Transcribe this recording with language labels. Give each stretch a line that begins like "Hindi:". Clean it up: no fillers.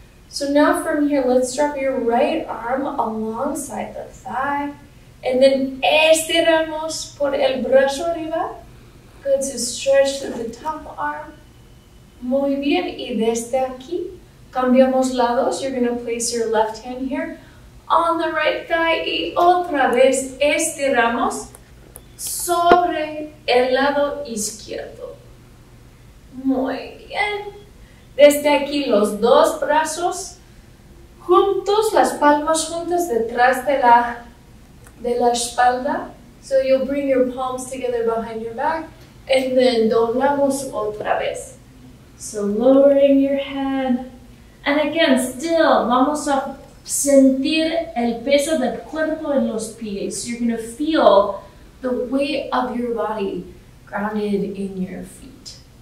English: So now from here, let's drop your right arm alongside the thigh. And then
Spanish: estiramos por el brazo arriba.
English: Good, to stretch through the top arm.
Spanish: Muy bien, y desde aquí. Cambiamos lados.
English: You're going to place your left hand here on the right thigh.
Spanish: Y otra vez estiramos sobre el lado izquierdo. Muy bien. Desde aquí los dos brazos juntos, las palmas juntas detrás de la espalda.
English: So you'll bring your palms together behind your back. And then
Spanish: doblamos otra vez.
English: So lowering your head. And again, still,
Spanish: vamos a sentir el peso del cuerpo en los pies.
English: So you're going to feel the weight of your body grounded in your feet.